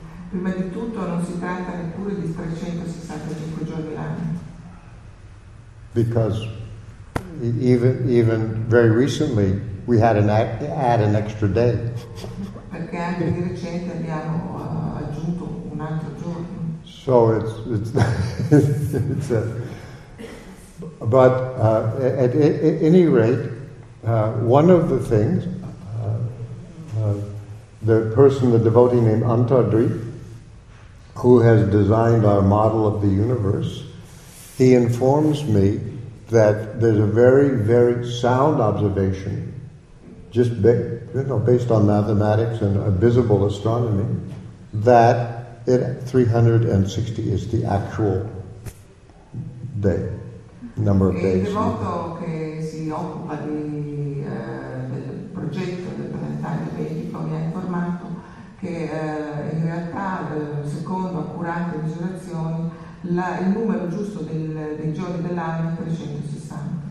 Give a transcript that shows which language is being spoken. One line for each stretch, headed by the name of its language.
Italian: Prima di tutto, non si tratta neppure di 365 giorni l'anno.
English: Because Even very recently, we had add an extra day.
Italian: Perché anche di recente abbiamo aggiunto un altro giorno.
English: So at any rate, one of the things, the devotee named Antadri, who has designed our model of the universe, he informs me that there's a very, very sound observation, just based on mathematics and visible astronomy, that 360 is the actual day, number of days.
Italian: Il devoto che si occupa del progetto del planetario Vedico mi ha informato che in realtà, secondo accurate misurazioni, il numero giusto dei giorni dell'anno è 360.